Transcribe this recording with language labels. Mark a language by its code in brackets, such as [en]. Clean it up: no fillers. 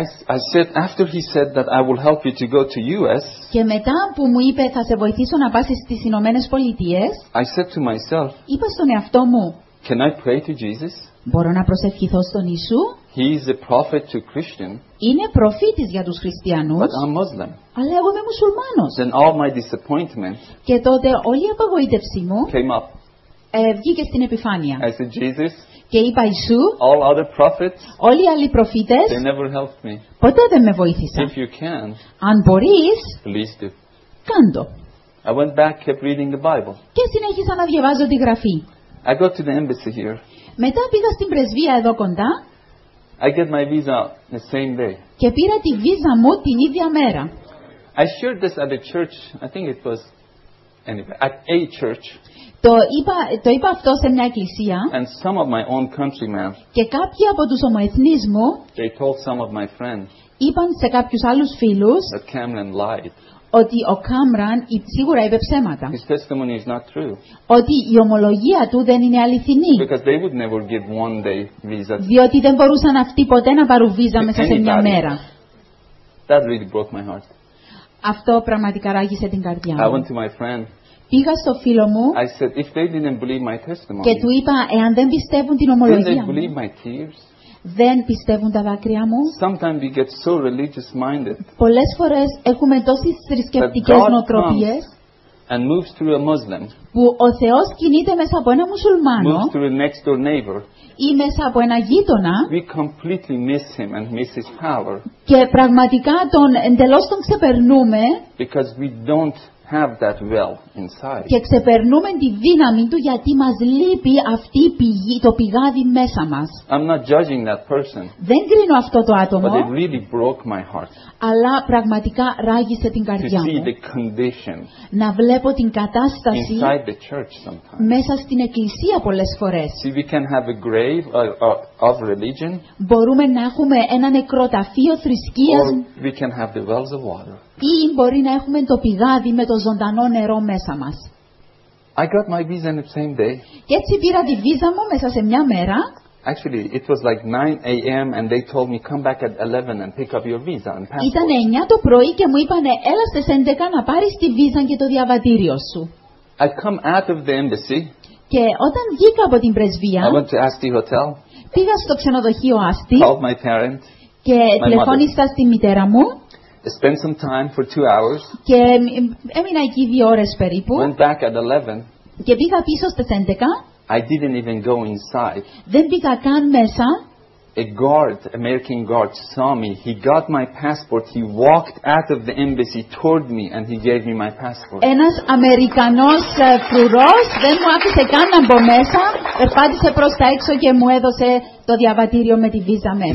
[en] I said after he said that I will help you to go to U.S. [el] Και μετά που μου είπε θα σε βοηθήσω να πας στις Ηνωμένες Πολιτείες. [en] I said to myself. [el] Είπα στον εαυτό μου. [en] Can I pray to Jesus? [el] Μπορώ να προσευχηθώ στον Ιησού. [en] He is a prophet to Christian. [el] Είναι προφήτης για τους χριστιανούς. [en] But I'm Muslim. [el] Αλλά εγώ είμαι μουσουλμάνος. [en] Then all my disappointment. [el] Και τότε όλη η απογοήτευσή μου. [en] Came up. [el] Βγήκε στην επιφάνεια. [en] I said Jesus. [el] Και είπα Ιησού, [en] all other prophets, [el] όλοι οι άλλοι προφήτες, [en] they never helped me. [el] Ποτέ δεν με βοήθησαν. [en] If you can, [el] αν μπορείς, [en] please do. [el] Κάντο. [en] I went back, kept reading the Bible. [el] Και συνέχισα να διαβάζω τη Γραφή. [en] I got to the embassy here. [el] Μετά πήγα στην πρεσβεία εδώ κοντά. [en] I get my visa the same day. [el] Και πήρα τη βίζα μου την ίδια μέρα. [en] I shared this at a church, I think it was anyway, at a church. [el] Το είπα αυτό σε μια εκκλησία. [en] And some of my own countrymen, [el] και κάποιοι από τους ομοεθνείς μου, [en] they told some of my friends, [el] είπαν σε κάποιους άλλους φίλους, [en] that Cameron lied, [el] ότι ο Κάμραν σίγουρα είπε ψέματα. [en] His testimony is not true. [el] Ότι η ομολογία του δεν είναι αληθινή. [en] Because they would never give one day visa. [el] Διότι δεν μπορούσαν αυτοί ποτέ να πάρουν βίζα μέσα σε μια μέρα. [en] That really broke my heart. [el] Αυτό πραγματικά ράγισε την καρδιά μου. [en] I went to my friend. [el] Πήγα στο φίλο μου, [en] I said, if they didn't believe my testimony, [el] και του είπα, εάν δεν πιστεύουν την ομολογία [en] didn't they believe my tears? [el] Δεν πιστεύουν τα δάκρυα μου. [en] Sometimes we get so religious minded, [el] πολλές φορές έχουμε τόσες θρησκευτικές νοοτροπίες [en] and moves through a Muslim, [el] που ο Θεός κινείται μέσα από ένα μουσουλμάνο [en] moves through a next door neighbor, [el] ή μέσα από ένα γείτονα, [en] we completely miss him and miss his power, [el] και πραγματικά τον εντελώς τον ξεπερνούμε [en] because we don't have that well inside. [el] Και ξεπερνούμε τη δύναμη του γιατί μας λείπει αυτή η πηγή, το πηγάδι μέσα μας. [en] I'm not judging that person. [el] Δεν κρίνω αυτό το άτομο. [en] But it really broke my heart. [el] Αλλά πραγματικά ράγισε την καρδιά [en] to [el] μου. [en] See the condition. [el] Να βλέπω την κατάσταση [en] inside the church sometimes. [el] Μέσα στην εκκλησία πολλές φορές. [en] See, we can have a grave of religion. [el] Μπορούμε να έχουμε ένα νεκροταφείο θρησκείας. [en] Or we can have the wells of water. [el] Ή μπορεί να έχουμε το πηγάδι με το ζωντανό νερό μέσα μας. [en] I got my visa the same day. [el] Και έτσι πήρα τη βίζα μου μέσα σε μια μέρα. [en] Actually, it was like 9 a.m. and they told me come back at 11 and pick up your visa and passport. [el] Ήταν 9 το πρωί και μου είπανε έλα στις 11 να πάρεις τη βίζα και το διαβατήριο σου. [en] I come out of the embassy. [el] Και όταν βγήκα από την πρεσβεία. [en] I went to Asti Hotel. [el] Πήγα στο ξενοδοχείο Asti. [en] Called my parents. [el] Και τηλεφώνησα στη μητέρα μου. [en] Spent some time for 2 hours. [el] Και έμεινα εκεί 2 ώρες περίπου. [en] Went back at 11. [el] Και πήγα πίσω στις 11. [en] I didn't even go inside. [el] Δεν πήγα καν μέσα. [en] A guard, American guard, saw me. He got my passport. He walked out of the embassy toward me and he gave me my passport. [el] Ένας Αμερικανός φρουρός δεν μου άφησε καν να μπω μέσα. Περπάτησε προς τα έξω και μου έδωσε το διαβατήριο με τη βίζα μέσα.